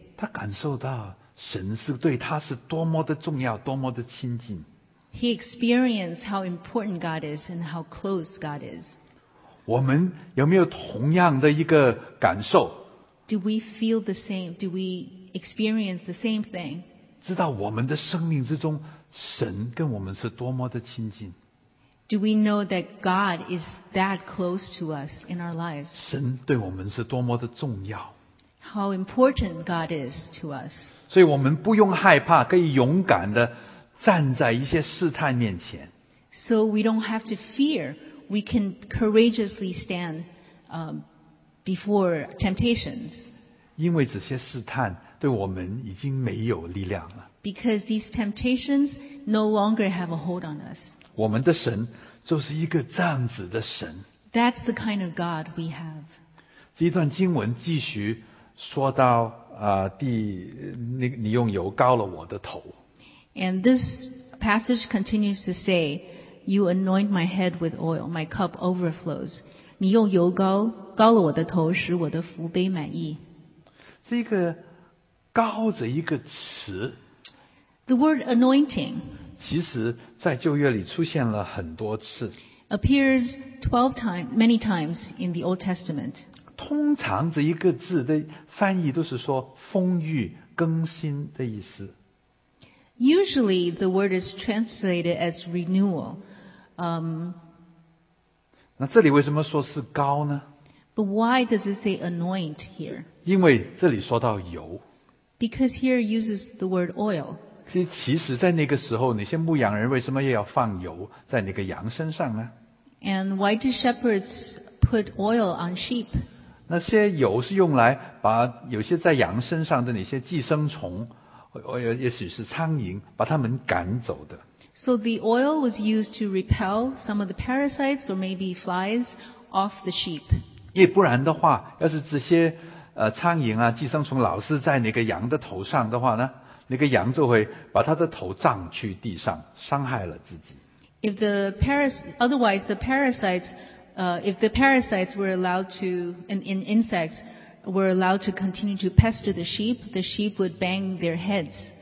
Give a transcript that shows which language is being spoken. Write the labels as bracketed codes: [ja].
[zh] 他感受到神是对他是多么的重要，多么的亲近。 [en] He experienced how important God is and how close God is. [zh] 我们有没有同样的一个感受？ [en] Do we feel the same? Do we experience the same thing? [zh] 知道我们的生命之中，神跟我们是多么的亲近？ [en] Do we know that God is that close to us in our lives? [zh] 神对我们是多么的重要？ [en] how important God is to us. [zh] 所以我们不用害怕，可以勇敢地站在一些试探面前。 [en] So we don't have to fear. We can courageously stand before temptations. [zh] 因为这些试探对我们已经没有力量了。 [en] Because these temptations no longer have a hold on us. [zh] 我们的神就是一个这样子的神。 [en] That's the kind of God we have. [zh] 这一段经文继续说到你用油膏了我的头。 [en] And this passage continues to say, You anoint my head with oil, my cup overflows. [zh] 你用油膏膏了我的头，使我的福杯满溢。这个膏这一个词 [en] ，The word anointing， [zh] 其实在旧约里出现了很多次 [en] ，appears 12 times, many times in the Old Testament。 [zh] 通常这一个字的翻译都是说丰裕、更新的意思。 [en] Usually the word is translated as renewal. [zh] 那这里为什么说是膏呢？ [en] But why does it say anoint here? [zh] 因为这里说到油。 [en] Because here uses the word oil. [zh] 其实在那个时候，那些牧羊人为什么也要放油在那个羊身上呢？ [en] And why do shepherds put oil on sheep? [zh] 那些油是用来把有些在羊身上的那些寄生虫，也许是苍蝇，把它们赶走的。 [en] So the oil was used to repel some of the parasites or maybe flies off the sheep. [zh] 因为不然的话，要是这些苍蝇啊、寄生虫老是在那个羊的头上的话呢，那个羊就会把它的头撞去地上，伤害了自己。 [en] If the otherwise the parasites, if the parasites were allowed to, and insects were allowed to continue to pester the sheep would bang their heads.